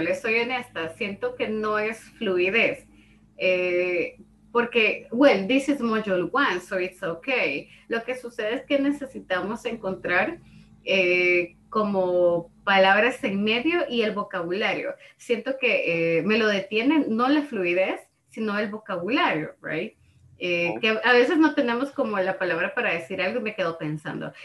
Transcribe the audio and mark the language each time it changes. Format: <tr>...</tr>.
<es>Le soy honesta, siento que no es fluidez.</es> <en>Porque, well, this is module one, so it's okay.</en> <es>Lo que sucede es que necesitamos encontrar como palabras en medio y el vocabulario. Siento que me lo detienen, no la fluidez, sino el vocabulario, right? Que a veces no tenemos como la palabra para decir algo y me quedo pensando.</es>